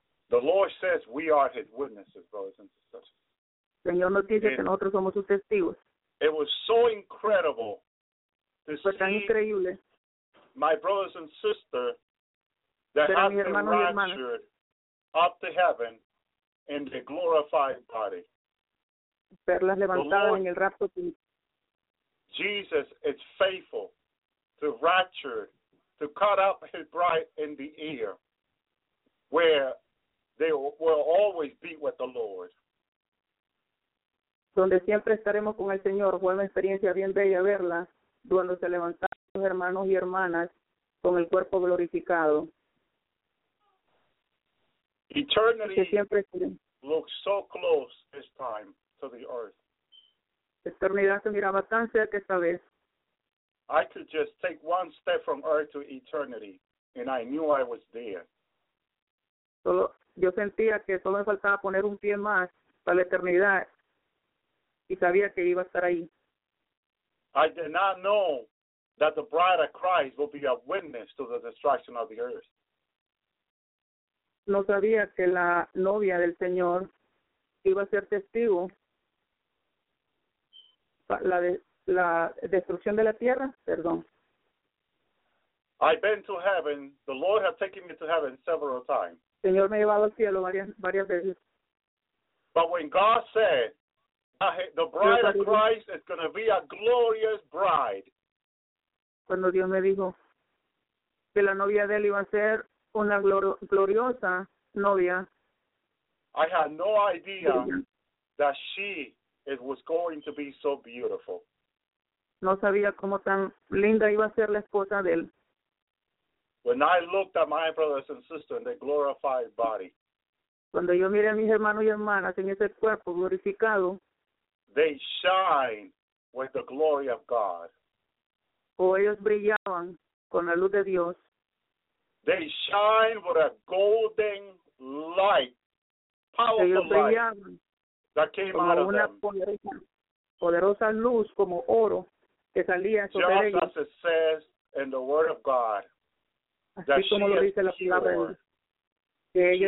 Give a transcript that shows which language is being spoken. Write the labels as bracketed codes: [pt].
[en] The Lord says we are his witnesses, brothers and sisters. [es] Señor nos dice que nosotros somos sus testigos. [en] It was so incredible to see my brothers and sisters that have been raptured up to heaven in the glorified body. [es] Perlas levantadas en el rapto. [en] Jesus is faithful to rapture, to cut up his bride in the air, where they will always be with the Lord. [es] Donde siempre estaremos con el Señor. Fue una experiencia bien bella verla cuando se levantaron hermanos y hermanas con el cuerpo glorificado. [en] Eternity looks so close this time to the earth. [es] Eternidad se miraba tan cerca esta vez. [en] I could just take one step from earth to eternity and I knew I was there. [es] Solo, yo sentía que solo me faltaba poner un pie más para la eternidad. Y sabía que iba a estar ahí. [en] I did not know that the bride of Christ will be a witness to the destruction of the earth. [es] No sabía que la novia del Señor iba a ser testigo la destrucción de la tierra, perdón. [en] I've been to heaven. The Lord has taken me to heaven several times. [es] El Señor me ha llevado al cielo varias veces. [en] But when God said the bride of Christ is going to be a glorious bride. [es] Cuando Dios me dijo que la novia de él iba a ser una gloriosa novia. [en] I had no idea that was going to be so beautiful. [es] No sabía cómo tan linda iba a ser la esposa de él. [en] When I looked at my brothers and sisters in the glorified body. [es] Cuando yo miré a mis hermanos y hermanas en ese cuerpo glorificado. [en] They shine with the glory of God. [es] O ellos brillaban con la luz de Dios. [en] They shine with a golden light, powerful [es] ellos [en] light that came out of them. [es] Poderosa luz como oro. que salía sobre [en] just [es] ellos. [en] As it says in the word of God, [es] así como lo dice la palabra de Dios, que ella